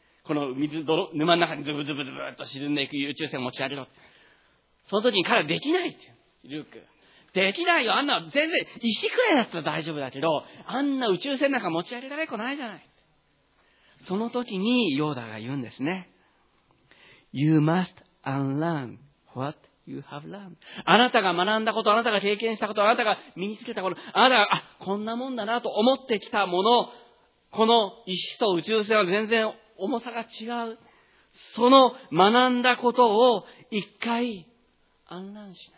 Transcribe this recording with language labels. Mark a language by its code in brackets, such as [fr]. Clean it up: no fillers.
[ja] この水、泥、沼の中にズブズブズブっと沈んでいく宇宙船を持ち上げろ。その時に彼はできないって言う、ルーク。できないよ、あんな、全然、石くらいだったら大丈夫だけど、あんな宇宙船なんか持ち上げられっこないじゃない。その時にヨーダが言うんですね。 [en] You must unlearn what you have learned. [ja] あなたが学んだこと、あなたが経験したこと、あなたが身につけたこと、あなたが、あ、こんなもんだなと思ってきたもの、この石と宇宙船は全然重さが違う。その学んだことを一回unlearnしなさい。